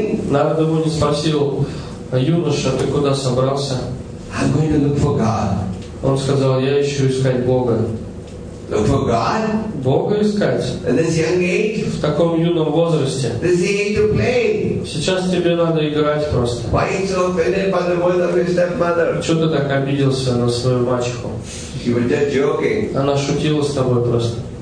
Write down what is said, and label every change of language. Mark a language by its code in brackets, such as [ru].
[ru] Нарада Муни спросил, юноша, ты куда собрался? [en] I'm going to look for God. [ru] Он сказал, я ищу искать Бога. [en] Look for God. [ru] Бога искать. [en] At this young age. [ru] В таком юном возрасте. [en] This is the age of play. [ru] Сейчас тебе надо играть просто. [en] Why are you so offended by the words of your stepmother? [ru] Чё ты так обиделся на свою мачеху? [en] She was just joking. [ru] Она шутила с тобой просто.